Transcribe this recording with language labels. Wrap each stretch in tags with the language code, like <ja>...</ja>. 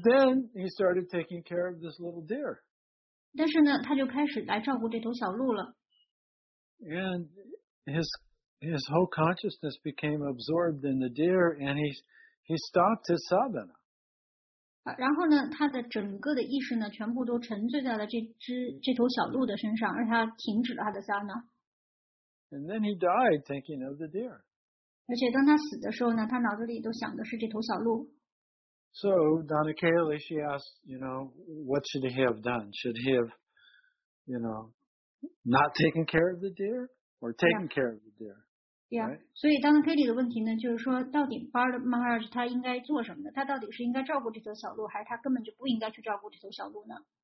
<en>then he started taking care of this little deer.</en> <zh>但是呢，他就开始来照顾这头小鹿了。</zh> <en>And his whole consciousness became absorbed in the deer, and he stopped his sadhana.</en> <zh>然后呢，他的整个的意识呢，全部都沉醉在了这头小鹿的身上，而他停止了他的sadhana。</zh> <en>And then he died thinking of the deer.</en> <zh>而且当他死的时候呢，他脑子里都想的是这头小鹿。</zh> <en>So Donna Kaylee, she asked, you know, what should he have done? Should he have, you know, not taken care of the deer or taken care of the deer? Yeah, right.</en> <zh>所以当Kelly的问题呢，就是说，到底 Bharat Maharaj 他应该做什么呢？他到底是应该照顾这头小鹿，还是他根本就不应该去照顾这头小鹿呢</zh>